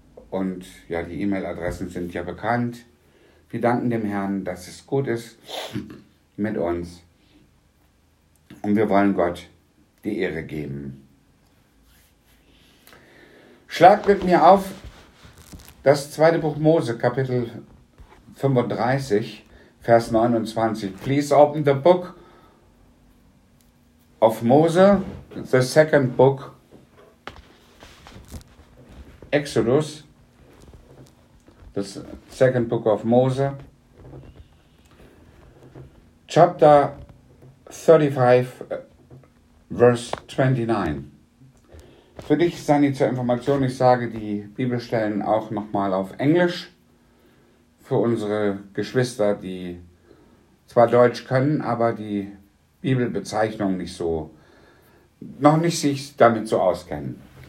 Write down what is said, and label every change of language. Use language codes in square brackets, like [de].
[de] Und ja, die E-Mail-Adressen sind ja bekannt. Wir danken dem Herrn, dass es gut ist mit uns. Und wir wollen Gott die Ehre geben. Schlagt mit mir auf das zweite Buch Mose, Kapitel 35, Vers 29. [en] Please open the book of Mose, the second book, Exodus, the second book of Mose, chapter 35, verse 29. [de] Für dich, Sanni, zur Information, ich sage die Bibelstellen auch nochmal auf Englisch. Für unsere Geschwister, die zwar Deutsch können, aber die Bibelbezeichnung nicht so, noch nicht sich damit so auskennen.